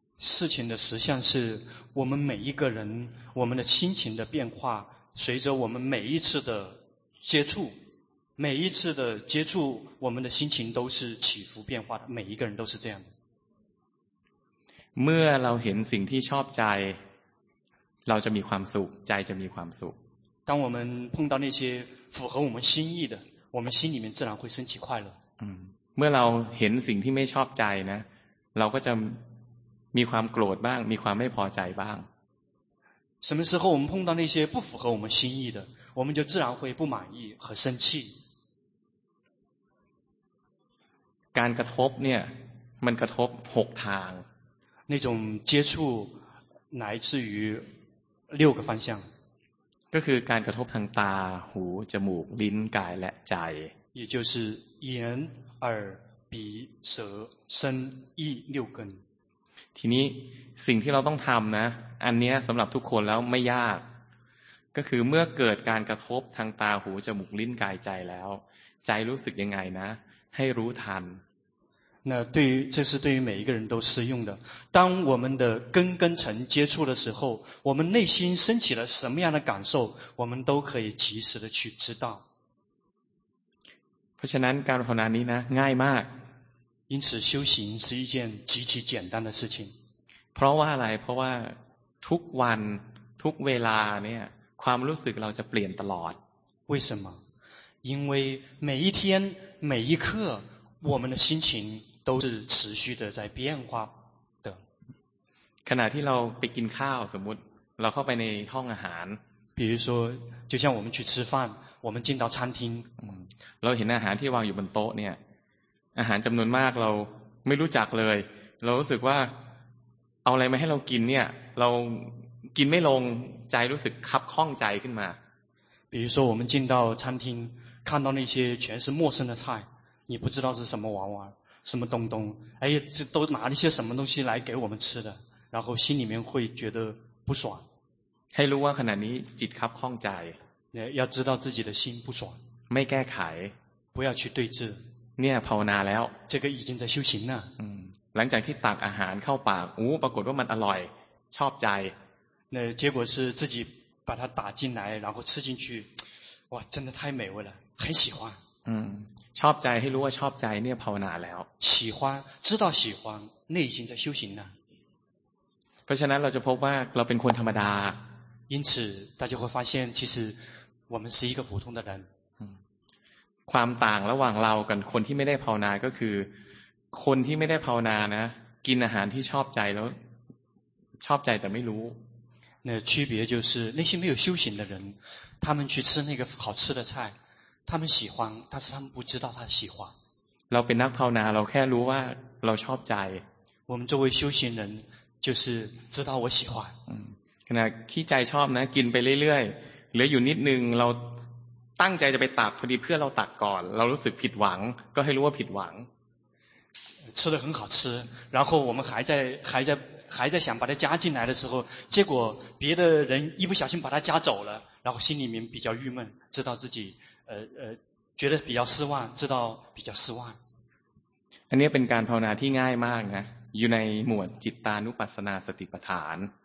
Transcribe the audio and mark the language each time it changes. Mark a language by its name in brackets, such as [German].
[Chinese] 事情的实相是我们每一个人我们的心情的变化随着我们每一次的接触每一次的接触我们的心情都是起伏变化的每一个人都是这样的 [Thai] เมื่อเราเห็นสิ่งที่ชอบใจเราจะมีความสุขใจจะมีความสุข [Chinese] 当我们碰到那些符合我们心意的我们心里面自然会升起快乐 [Thai] เมื่อเราเห็นสิ่งที่ไม่ชอบใจนะเราก็จะมีความโกรธบ้างมีความไม่พอใจบ้าง [Chinese] 什么时候我们碰到那些不符合我们心意的我们就自然会不满意和生气 [Thai] การกระทบเนี่ยมันกระทบ6ทาง [Chinese] 那种接触来自于6个方向 [Thai] ก็คือการกระทบทางตาหูจมูกลิ้นกายและใจ [Chinese] 也就是眼耳鼻舌身意6根 [Thai] ทีนี้สิ่งที่เราต้องทำนะอันนี้สำหรับทุกคนแล้วไม่ยากก็คือเมื่อเกิดการกระทบทางตาหูจมูกลิ้นกายใจแล้วใจรู้สึกยังไงนะให้รู้ทัน [Chinese] 那对于这是对于每一个人都适用的当我们的根跟尘接触的时候我们内心升起了什么样的感受我们都可以及时的去知道 [Thai] เพราะฉะนั้นการภาวนานี้นะง่ายมาก [Chinese] 因此修行是一件极其简单的事情 [Thai] เพราะว่าอะไรเพราะว่าทุกวันทุกเวลาเนี่ยความรู้สึกเราจะเปลี่ยนตลอด [Chinese] 为什么因为每一天每一刻我们的心情都是持续的在变化的 [Thai] ขณะที่เราไปกินข้าวสมมุติเราเข้าไปในห้องอาหาร [Chinese] 比如说就像我们去吃饭我们进到餐厅 [Thai] เราเห็นอาหารที่วางอยู่บนโต๊ะเนี่ยอาหารจำนวนมากเราไม่รู้จักเลยเรารู้สึกว่าเอาอะไรมาให้เรากินเนี่ยเรากินไม่ลงใจรู้สึกคับข้องใจขึ้นมา [Chinese] 比如说我们进到餐厅看到那些全是陌生的菜你不知道是什么玩玩什么东东哎呀这都拿了些什么东西来给我们吃的然后心里面会觉得不爽 [Thai] ให้รู้ว่าขณะนี้จิตคับข้องใจ [Chinese] 要知道自己的心不爽 [Thai] ไม่แก้ไข [Chinese] 不要去对治 [Thai] เนี่ยภาวนาแล้ว [Chinese] 这个已经在修行了 [Thai] หลังจากที่ตักอาหารเข้าปากโอ้ปรากฏว่ามันอร่อยชอบใจ [Chinese] 那结果是自己把它打进来然后吃进去哇真的太美味了很喜欢 [Thai] ชอบใจให้รู้ว่าชอบใจเนี่ยภาวนาแล้ว [Chinese] 喜欢知道喜欢那已经在修行了 [Thai] เพราะฉะนั้นเราจะพบว่าเราเป็นคนธรรมดา [Chinese] 因此大家会发现其实我们是一个普通的人 [Thai] ความต่างระหว่างเรากับคนที่ไม่ได้ภาวนาก็คือคนที่ไม่ได้ภาวนานะกินอาหารที่ชอบใจแล้วชอบใจแต่ไม่รู้ [Chinese] 那区别就是那些没有修行的人他们去吃那个好吃的菜他们喜欢但是他们不知道他喜欢 [Thai] เราเป็นนักภาวนาเราแค่รู้ว่าเราชอบใจ [Chinese] 我们作为修行人就是知道我喜欢 [Thai] ขณะที่ใจชอบนะกินไปเรื่อยๆเหลืออยู่นิดนึงเราตั้งใจจะไปตักพอดีเพื่อเราตักก่อนเรารู้สึกผิดหวังก็ให้รู้ว่าผิดหวัง [Chinese] 吃得很好吃然后我们还在想把它加进来的时候结果别的人一不小心把它加走了然后心里面比较郁闷知道自己觉得比较失望知道比较失望 [Thai] อันนี้เป็นการภาวนาที่ง่ายมากนะอยู่ในหมวดจิตตานุปัสสนาสติปัฏฐาน